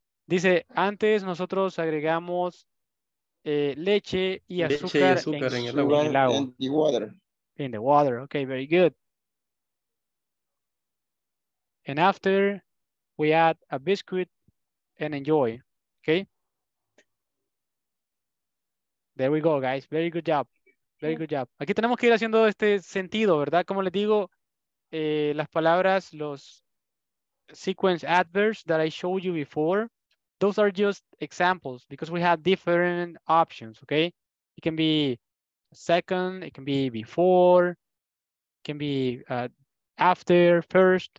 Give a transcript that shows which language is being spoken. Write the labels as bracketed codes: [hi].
[es] Dice, antes nosotros agregamos leche y azúcar, en el agua. [en] In the water, okay, very good. And after, we add a biscuit and enjoy, okay? There we go, guys. Very good job. Very good job. [es] Aquí tenemos que ir haciendo este sentido, ¿verdad? Como les digo, las palabras, los [en] sequence adverbs that I showed you before, those are just examples because we have different options, okay? It can be second, it can be before, it can be after, first.